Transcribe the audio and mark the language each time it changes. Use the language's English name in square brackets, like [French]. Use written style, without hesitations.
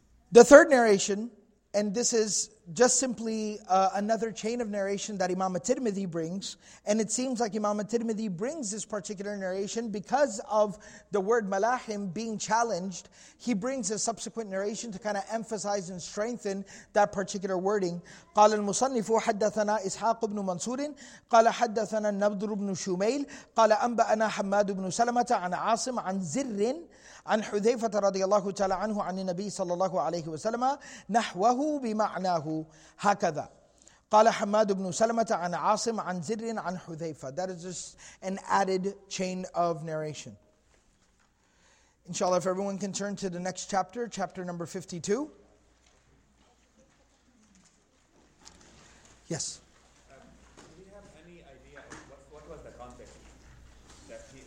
[English] The third narration, and this is just simply another chain of narration that Imam At-Tirmidhi brings. And it seems like Imam At-Tirmidhi brings this particular narration because of the word malahim being challenged. He brings a subsequent narration to kind of emphasize and strengthen that particular wording. [Arabic] قال المصنف حدثنا إسحاق بن منصور قال حدثنا النضر بن شميل قال أنبأنا حماد بن سلمة عن عاصم عن زر عن حذيفة رضي الله تعالى عنه عن النبي صلى الله عليه وسلم نحوه بمعناه هكذا قال حماد بن سلمة عن عاصم عن زر عن حذيفة. [English] That is just an added chain of narration. Inshallah, if everyone can turn to the next chapter, chapter number 52. Yes. Do we have any idea what was the context that he